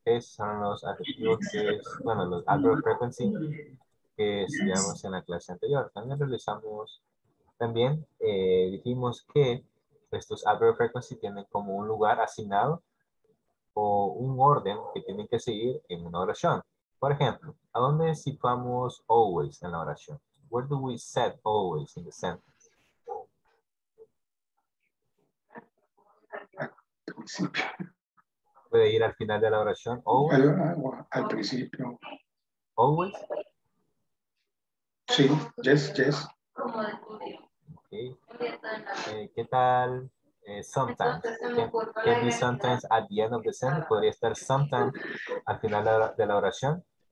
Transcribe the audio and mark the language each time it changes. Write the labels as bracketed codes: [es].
[es] Esos son los adjetivos que es, bueno, los adverb frequency que estudiamos en la clase anterior. También realizamos, también dijimos que estos adverb frequency tienen como un lugar asignado o un orden que tienen que seguir en una oración. Por ejemplo, ¿a dónde situamos always en la oración? [en] Where do we set always in the sentence? [es] principio. ¿Puede ir al final de la oración? Always. Al principio. [en] Always. [es] Sí, [en] yes, yes. [es] Okay. ¿Qué tal? Sometimes. [en] Can be sometimes at the end of the sentence. [es] ¿Podría estar sometimes al final de la oración?